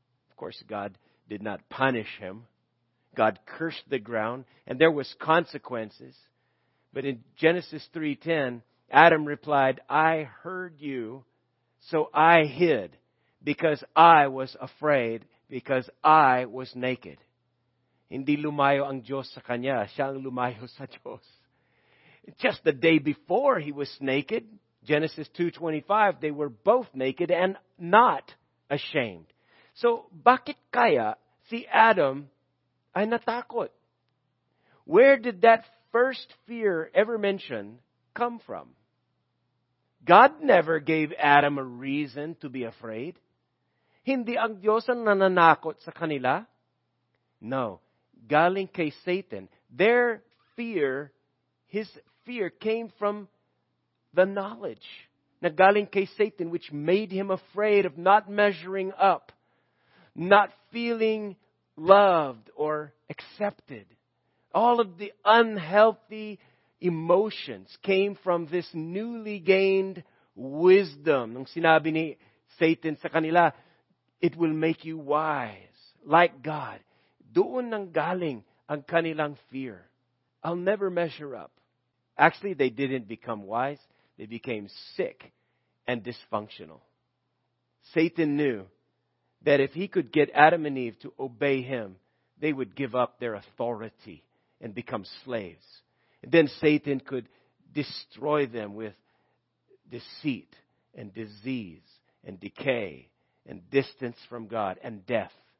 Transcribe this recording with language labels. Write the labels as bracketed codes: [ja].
[en] Of course, God did not punish him. God cursed the ground, and there was consequences. But in Genesis 3:10, Adam replied, I heard you, so I hid, because I was afraid, because I was naked. [tl] Hindi lumayo ang Diyos sa kanya, siyang lumayo sa Diyos. [en] Just the day before he was naked, Genesis 2:25, they were both naked and not ashamed. [tl] So, bakit kaya si Adam ay natakot? [en] Where did that first fear ever mentioned come from? God never gave Adam a reason to be afraid. [tl] Hindi ang Diyos ang nananakot sa kanila. No, galing kay Satan. [en] Their fear, his fear came from the knowledge. [tl] Na galing kay Satan, [en] which made him afraid of not measuring up, not feeling loved or accepted. All of the unhealthy emotions came from this newly gained wisdom. [tl] Nung sinabi ni Satan sa kanila, [en] it will make you wise, like God. [tl] Doon nang galing ang kanilang fear. [en] I'll never measure up. Actually, they didn't become wise. They became sick and dysfunctional. Satan knew that if he could get Adam and Eve to obey him, they would give up their authority and become slaves. And then Satan could destroy them with deceit and disease and decay and distance from God and death.